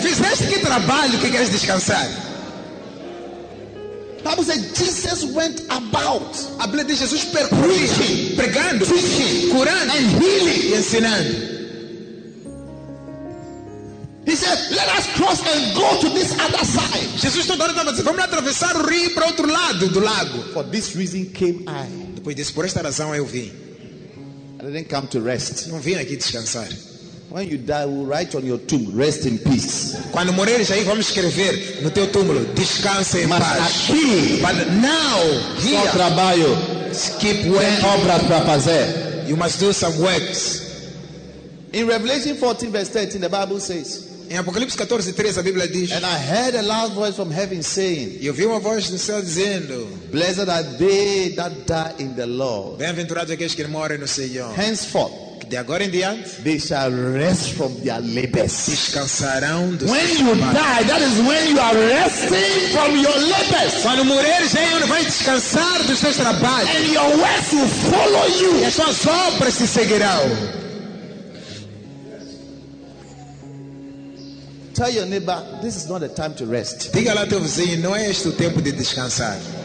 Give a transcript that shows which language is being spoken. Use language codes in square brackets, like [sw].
[pt] Fizeste que trabalho que queres descansar? A Bíblia diz: [en] Jesus went about, [pt] a Bíblia diz Jesus percorria, pregando, [en] preaching, [pt] curando, [en] and healing, [pt] e ensinando. [en] He said, let us cross and go to this other side. [pt] Jesus agora estava dizendo, vamos atravessar o rio para outro lado do lago. [en] For this reason came I. [pt] Depois disso, por esta razão eu vim. [en] I didn't come to rest. [pt] Não vim aqui descansar. [en] When you die, we'll write on your tomb, rest in peace. [pt] Quando morreres aí, vamos escrever no teu túmulo, descanse em mas paz. Aqui, [en] but now, here, [pt] só trabalho, [en] keep working. [pt] Tem obras para fazer. [en] You must do some works. In Revelation 14, verse 13, the Bible says, [pt] em Apocalipse 14, 13, a Bíblia diz, [en] and I heard a loud voice from heaven saying, [pt] eu vi uma voz do céu dizendo, [en] blessed are they that die in the Lord. [pt] Bem-aventurados aqueles que morrem no Senhor. [en] Henceforth, [pt] de agora em diante, [en] they shall rest from their labors. [pt] Descansarão dos seus trabalhos. [en] When you die, that is when you are resting from your labors. [pt] Quando morreres, é onde vai descansar dos seus trabalhos. [en] And your works will follow you. [pt] E as suas obras se seguirão. [en] Tell your neighbor, this is not the time to rest. [pt] Diga lá teu vizinho, não é este o tempo de descansar.